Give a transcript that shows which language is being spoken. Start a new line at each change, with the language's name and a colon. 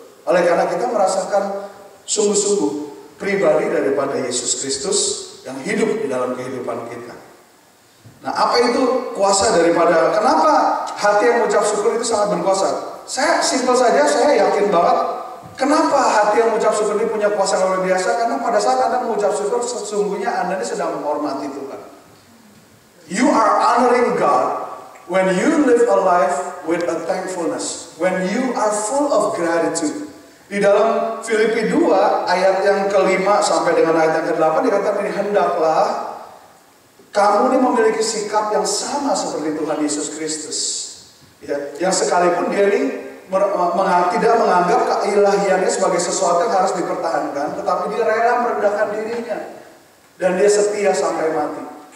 Indonesian: Oleh karena kita merasakan sungguh-sungguh pribadi daripada Yesus Kristus yang hidup di dalam kehidupan kita. Nah, apa itu kuasa daripada, kenapa hati yang mengucap syukur itu sangat berkuasa? Saya simpel saja, saya yakin banget. Kenapa hati yang mengucap syukur ini punya kuasa yang luar biasa? Karena pada saat Anda mengucap syukur, sesungguhnya Anda ini sedang menghormati Tuhan.
English: You are honoring God when you live a life with a thankfulness. When you are full of gratitude.
Indonesian: Di dalam Filipi 2 ayat yang ke-5 sampai dengan ayat yang ke-8 dikatakan ini, hendaklah kamu ini memiliki sikap yang sama seperti Tuhan Yesus Kristus. Ya, yang sekalipun dia ini tidak menganggap keilahiannya sebagai sesuatu yang harus dipertahankan, tetapi dia rela merendahkan dirinya dan dia setia sampai mati.